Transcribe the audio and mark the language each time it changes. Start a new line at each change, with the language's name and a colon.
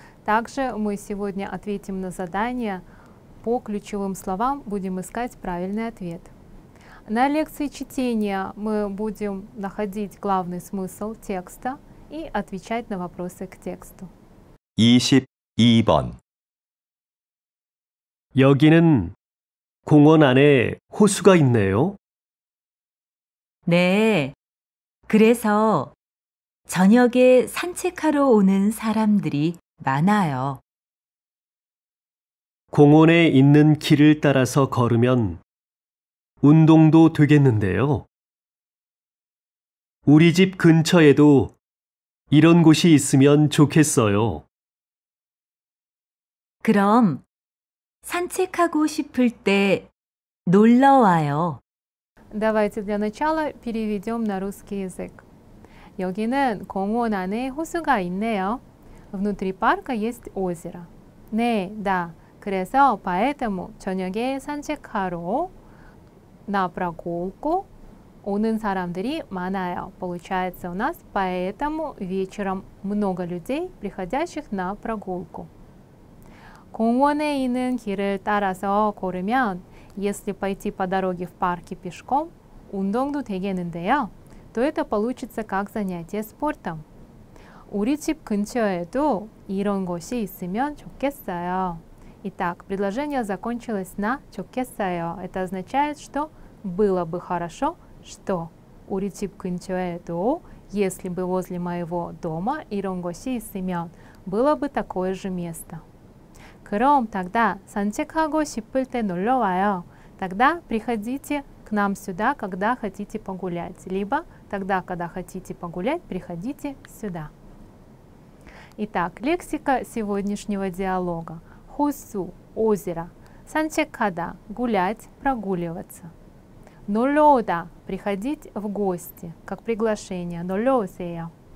Russian: Также мы сегодня ответим на задание по ключевым словам, будем искать правильный ответ. На лекции чтения мы будем находить главный смысл текста и отвечать на вопросы к тексту.
Korean: 22번 여기는 공원 안에 호수가 있네요. 네, 그래서 저녁에 산책하러 오는 사람들이 많아요. 공원에 있는 길을 따라서 걸으면 운동도 되겠는데요. 우리 집 근처에도 이런 곳이 있으면 좋겠어요. 그럼 산책하고 싶을 때 놀러 와요.
Russian: Давайте для начала переведем на русский язык.
Korean: 여기는 공원 안에 호수가 있네요.
Russian: Внутри парка есть озеро.
Korean: 네, 다. 그래서
Russian: поэтому
Korean: 저녁에 산책하러
Russian: на прогулку
Korean: 오는 사람들이 많아요.
Russian: Получается у нас поэтому вечером много людей, приходящих на прогулку.
Korean: 공원에 있는 길을 따라서 걸으면
Russian: если пойти по дороге в парке пешком,
Korean: 운동도 되겠는데요,
Russian: то это получится как занятие спортом.
Korean: 우리 집 근처에도 이런 곳이 있으면 좋겠어요.
Russian: Итак, предложение закончилось на 좋겠어요. Это означает, что было бы хорошо, что
Korean: 우리 집 근처에도,
Russian: если бы возле моего дома
Korean: 이런 곳이 있으면,
Russian: было бы такое же место.
Korean: 그럼
Russian: тогда
Korean: 산책하고 싶을 때 놀러 와요.
Russian: Тогда приходите к нам сюда, когда хотите погулять. Либо тогда, когда хотите погулять, приходите сюда. Итак, лексика сегодняшнего диалога. Хусу – озеро. Санчекада – гулять, прогуливаться. Нолёда – приходить в гости, как приглашение. Нолёсея.